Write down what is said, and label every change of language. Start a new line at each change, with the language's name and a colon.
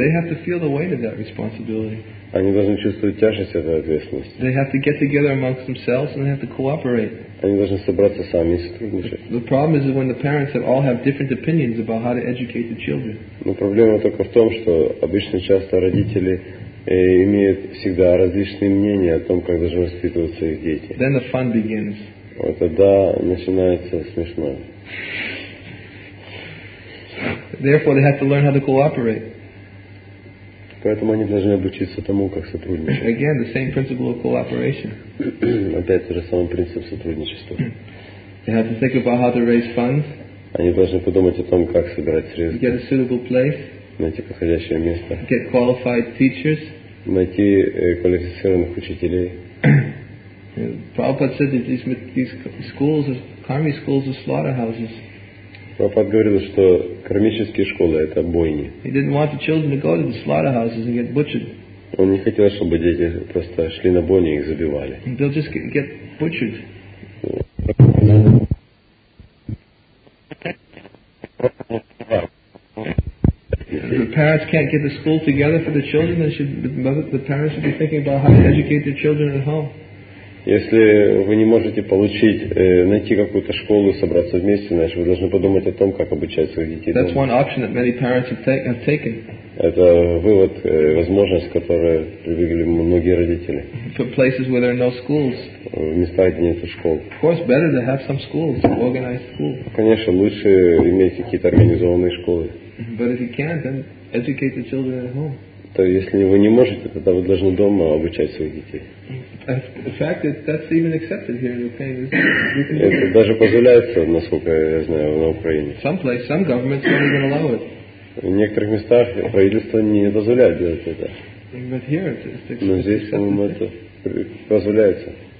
English: They have to feel the weight of that responsibility.
Russian: Они должны чувствовать тяжесть этой ответственности.
English: They have to get together amongst themselves and they have to cooperate.
Russian: Они должны собраться сами и сотрудничать.
English: The problem is when the parents have all have different opinions about how to educate the children.
Russian: Но проблема только в том, что обычно часто родители имеют всегда различные мнения о том, как должны воспитывать своих детей.
English: Then the fun begins.
Russian: Вот тогда начинается смешное.
English: Therefore, they have to learn how to cooperate.
Russian: Поэтому они должны обучиться тому, как сотрудничать.
English: Again, the same principle of cooperation.
Russian: Опять же, самый принцип сотрудничества.
English: They have to think about how to raise funds.
Russian: Они должны подумать о том, как собирать средства.
English: Get a suitable place.
Russian: Найти подходящее место.
English: Get qualified teachers.
Russian: Найти квалифицированных учителей.
English: Prabhupada said that these schools, karmi schools, are slaughterhouses.
Russian: Прабхупад говорил, что кармические школы — это бойни.
English: He didn't want the children to go to the slaughterhouses and get butchered.
Russian: Он не хотел, чтобы дети просто шли на бойни и их забивали.
English: They'll just get butchered. If the parents can't get the school together for the children, then the parents should be thinking about how to educate their children at home.
Russian: Если вы не можете получить, найти какую-то школу, собраться вместе, значит, вы должны подумать о том, как обучать своих детей.
English: That's one option that many parents have taken.
Russian: Это вывод, возможность, которую привели многие родители.
English: For places where there are no schools.
Russian: В местах, где нет школ.
English: Of course, better to have some schools, organized schools.
Russian: Конечно, лучше иметь какие-то организованные школы.
English: But if you can't, then educate the children at home.
Russian: То если вы не можете, тогда вы должны дома обучать своих детей.
English: That's even accepted here in Ukraine.
Russian: Это даже позволяется, насколько я знаю, на Украине.
English: Some places, some governments don't even allow it.
Russian: В некоторых местах правительство не позволяет делать это.
English: But here it's accepted.
Russian: Но здесь, по-моему, это позволяется.